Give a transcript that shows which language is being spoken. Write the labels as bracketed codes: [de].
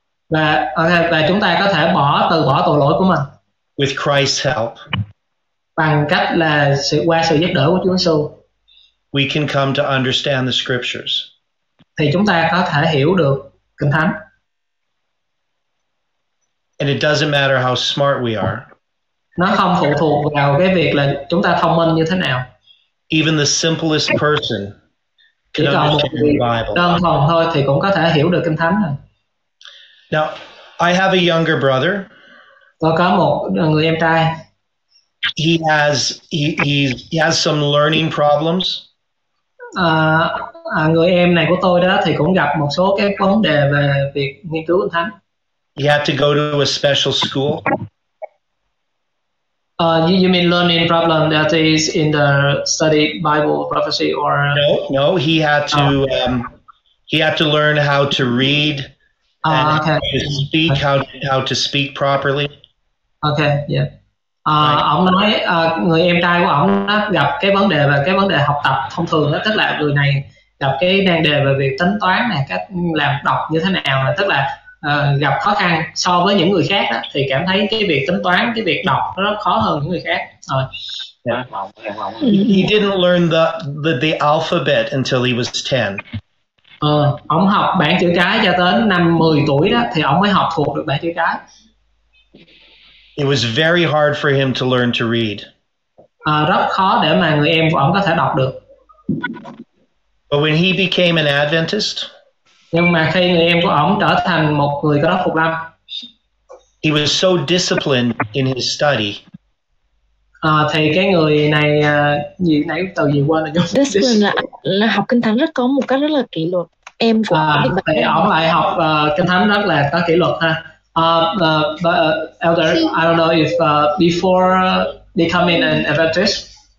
[vi] và chúng ta có thể từ bỏ tội lỗi của mình [en] with Christ's help, [vi] bằng cách là qua sự giúp đỡ của Chúa Giêsu. [en] We can come to understand the scriptures. [vi] Thì chúng ta có thể hiểu được Kinh Thánh. [en] And it doesn't matter how smart we are. [vi] Nó không phụ thuộc vào cái việc là chúng ta thông minh như thế nào. [en] Even the simplest person can understand the Bible. [vi] Đơn thuần thôi thì cũng có thể hiểu được Kinh Thánh rồi. [en] Now, I have a younger brother. [vi] Tôi có một người em trai. [en] He has some learning problems. [vi] Người em này của tôi đó thì cũng gặp một số cái vấn đề về việc nghiên cứu Kinh Thánh. [en] He had to go to a special school. You mean learning problem that is in the study Bible prophecy or? No, he had to learn how to read and how to speak properly. Okay, yeah. [vi] Ông nói người em trai của ông đó gặp cái vấn đề về cái vấn đề học tập thông thường đó, tức là người này gặp cái nan đề về việc tính toán này, cách làm đọc như thế nào, là tức là gặp khó khăn so với những người khác đó, thì cảm thấy cái việc tính toán, cái việc đọc nó rất khó hơn những người khác. Rồi. [en] Yeah. He didn't learn the alphabet until he was 10. [vi] Ông học bảng chữ cái cho tới năm 10 tuổi đó thì ông mới học thuộc được bảng chữ cái. [en] It was very hard for him to learn to read. [vi] Rất khó để mà người em của ông có thể đọc được. [en] But when he became an Adventist, [vi] nhưng mà khi người em của ông trở thành một người Cơ Đốc phục lâm, [en] he was so disciplined in his study. [vi] Thì cái người này gì nãy từ gì quên rồi. Discipline là học Kinh Thánh rất có một cách rất là kỷ luật. Em của thì ông lại học Kinh Thánh rất là có kỷ luật ha. [en] Elder, I don't know if before becoming an Adventist,